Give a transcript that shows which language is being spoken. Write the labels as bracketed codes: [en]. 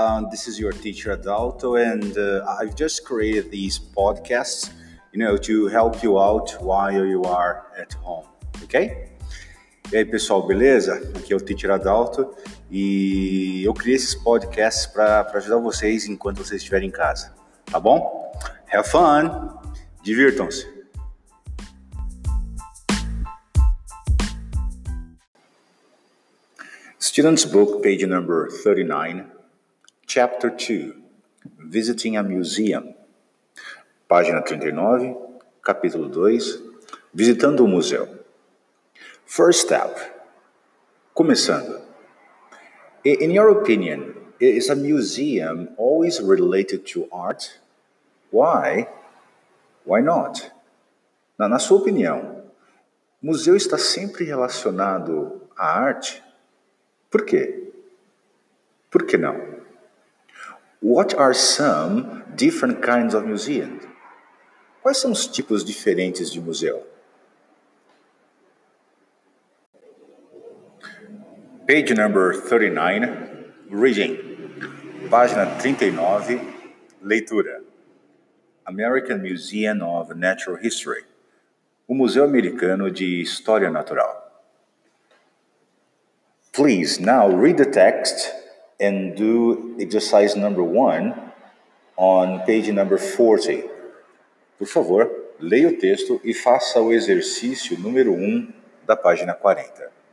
[en] This is your teacher Adalto, and I've just created these podcasts, you know, to help you out while you are at home, ok? [pt] E aí pessoal, beleza? Aqui é o teacher Adalto e eu criei esses podcasts para ajudar vocês enquanto vocês estiverem em casa, tá bom? [en] Have fun! [pt] Divirtam-se! [en] Student's book, page number 39, chapter 2, Visiting a Museum. [pt] Página 39, capítulo 2, Visitando o Museu. [en] First step, começando. In your opinion, is a museum always related to art? Why? Why not? [pt] Na sua opinião, museu está sempre relacionado à arte? Por quê? Por que não? [en] What are some different kinds of museums? [pt] Quais são os tipos diferentes de museu? [en] Page number 39, reading. [pt] Página 39, leitura. American Museum of Natural History. O Museu Americano de História Natural. [en] Please, now read the text and do exercise number 1 on page number 40. [pt] Por favor, leia o texto e faça o exercício número 1 da página 40.